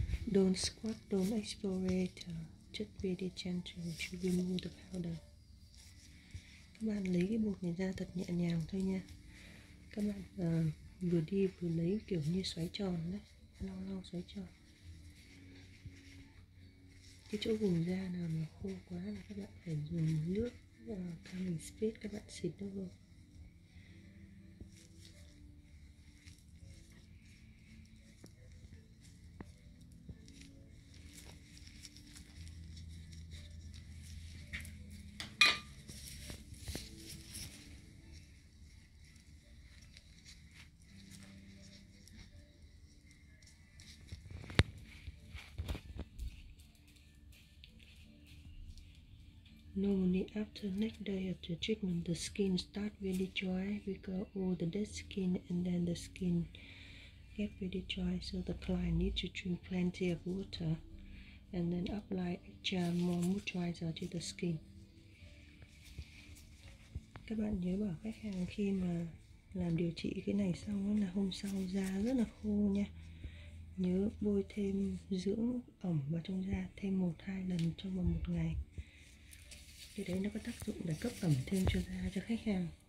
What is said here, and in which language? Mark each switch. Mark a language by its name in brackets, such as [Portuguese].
[English] Don't squat, don't explorate, just very gentle to remove the powder. [Vietnamese] Các bạn lấy cái bột này ra thật nhẹ nhàng thôi nha. Các bạn vừa đi vừa lấy kiểu như xoáy tròn đấy, lau lau xoáy tròn. Cái chỗ vùng da nào mà khô quá là các bạn phải dùng nước Calming Spirit các bạn xịt nó vô. [English] Normally after next day of the treatment, the skin start really dry because all the dead skin, and then the skin get really dry, so the client need to drink plenty of water and then apply extra more moisturizer to the skin. [Vietnamese] Các bạn nhớ bảo khách hàng khi mà làm điều trị cái này xong là hôm sau da rất là khô nha. Nhớ bôi thêm dưỡng ẩm vào trong da thêm 1-2 lần trong vòng 1 ngày. Cái đấy nó có tác dụng để cấp ẩm thêm cho da cho khách hàng.